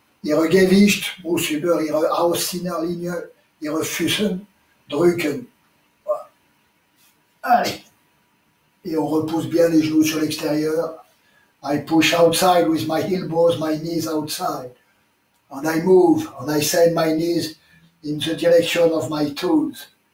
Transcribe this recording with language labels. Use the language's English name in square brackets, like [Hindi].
[German] Ihre Gewicht muss über ihre außere Linie, ihre Füße drücken. [French] Allez. Et on repousse bien les genoux sur l'extérieur. [English] I push outside with my elbows, my knees outside. And I move, and I send my knees in the direction of my toes.